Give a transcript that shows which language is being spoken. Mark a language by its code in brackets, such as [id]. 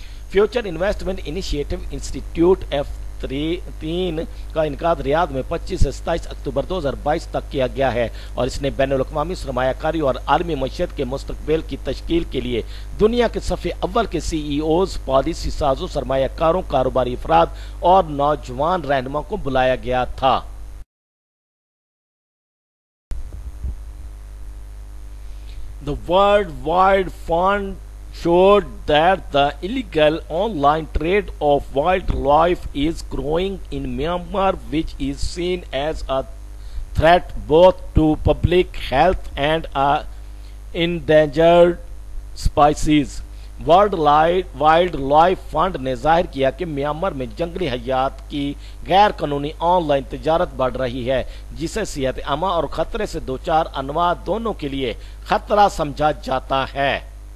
[ur] Future investment initiative institute F3 کا انعقاد ریاض میں 25 سے 27 اکتوبر 2022 تک کیا گیا ہے اور اس نے بین الاقوامی سرمایہ کاری اور عالمی معیشت کے مستقبل کی تشکیل کے لیے دنیا کے صفحے اول کے CEOs پالیسی سازوں سرمایہ کاروں کاروباری افراد اور نوجوان رہنما کو بلایا گیا تھا. [en] The World Wide Fund showed that the illegal online trade of wildlife is growing in Myanmar, which is seen as a threat both to public health and endangered species. [ur] Wildlife Fund نے ظاہر کیا کہ Myanmar میں جنگلی حیات کی غیر قانونی آن لائن تجارت بڑھ رہی ہے جسے صحت عامہ اور خطرے سے دوچار انواع دونوں کے لیے خطرہ سمجھا جاتا ہے.